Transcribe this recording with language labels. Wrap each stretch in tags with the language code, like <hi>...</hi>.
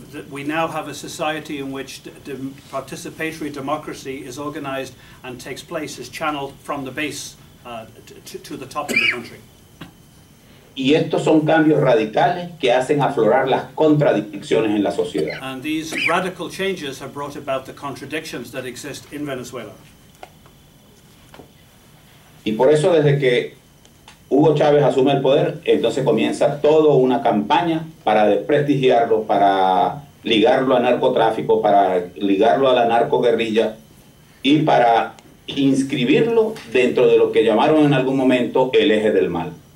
<en>We now have a society in which the participatory democracy is organized and takes place, is channeled from the base to the top of the country.</en> <es>Y estos son cambios radicales que hacen aflorar las contradicciones en la sociedad.</es> <en>And these radical changes have brought about the contradictions that exist in Venezuela.</en> <es>Y por eso desde que Hugo Chávez asume el poder, entonces comienza toda una campaña para desprestigiarlo, para ligarlo a narcotráfico, para ligarlo a la narcoguerrilla y para inscribirlo dentro de lo que llamaron en algún momento el eje del mal.</es>